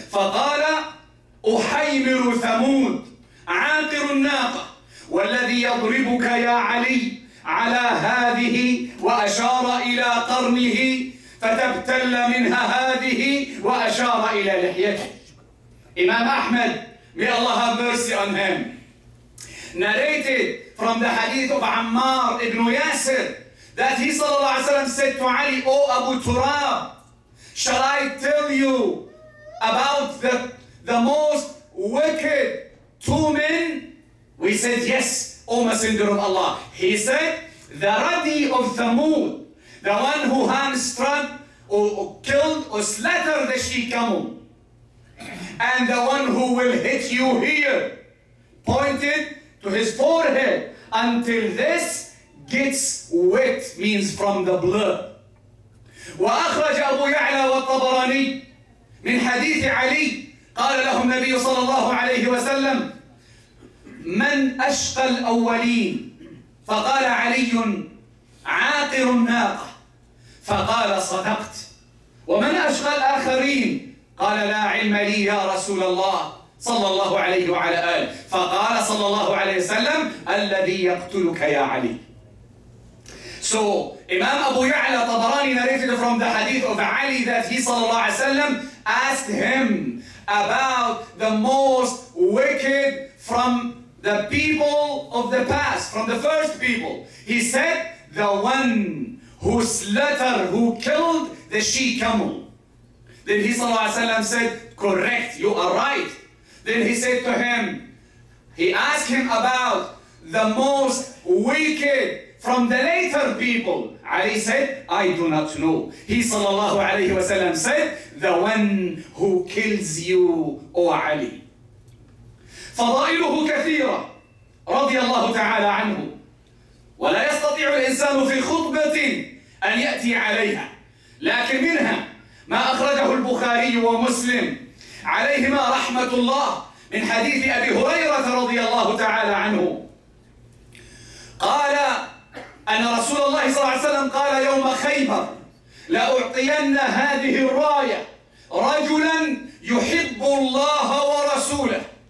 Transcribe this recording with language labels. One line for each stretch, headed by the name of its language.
Arabic: فقال أحيمر ثمود عاقر الناقة والذي يضربك يا علي على هذه وأشار إلى قرنه فتبتل منها هذه وأشار إلى لحيته.
English: Imam Ahmad, may Allah have mercy on him, narrated from the hadith of Ammar ibn Yasir that he sallallahu alayhi wa sallam said to Ali, O Abu Turab, shall I tell you about the most wicked two men? We said, yes, O Messenger of Allah. He said, the Radi of Thamud, the one who hamstrung or killed or slaughtered the Shikamun, and the one who will hit you here, pointed to his forehead, until this gets wet, means from the blood.
Arabic: وأخرج أبو يعلى والطبراني من حديث علي قال لهم النبي صلى الله عليه وسلم من أشقى الأولين؟ فقال علي عاقر الناقة. فقال صدقت. ومن أشقى الآخرين؟ قال لا علم لي يا رسول الله صلى الله عليه وعلى آله. فقال صلى الله عليه وسلم الذي يقتلك يا علي.
English: So Imam Abu Ya'la Tabarani narrated from the hadith of Ali that he
Arabic: صلى الله عليه وسلم
English: asked him about the most wicked from the people of the past, from the first people. He said, the one who slaughtered, who killed the Shikamun. Then he sallallahu alayhi wa sallam said, correct, you are right. Then he said to him, he asked him about the most wicked from the later people. Ali said, I do not know. He sallallahu alayhi wa sallam said, the one who kills you, O Ali.
Arabic: فضائله كثيرة رضي الله تعالى عنه. ولا يستطيع الإنسان في خطبة أن يأتي عليها، لكن منها ما أخرجه البخاري ومسلم عليهما رحمة الله من حديث أبي هريرة رضي الله تعالى عنه قال أن رسول الله صلى الله عليه وسلم قال يوم خيبر: لأعطين هذه الراية رجلا يحب الله ورسوله.